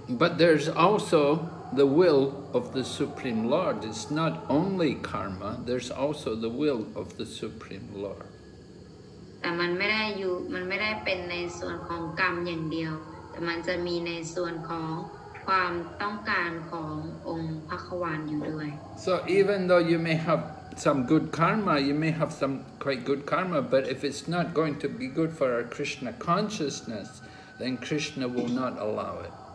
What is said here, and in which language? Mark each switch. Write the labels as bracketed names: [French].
[English] But there's also the will of the Supreme Lord. It's not only karma. There's also the will of the Supreme Lord. [Thai] แต่มันไม่ได้เป็นในส่วนของกรรมอย่างเดียวแต่มันจะมีในส่วนของความต้องการขององค์พระควานอยู่ด้วย [English] So even though you may have some good karma, you may have some quite good karma, but if it's not going to be good for our Krishna consciousness, then Krishna will not allow it.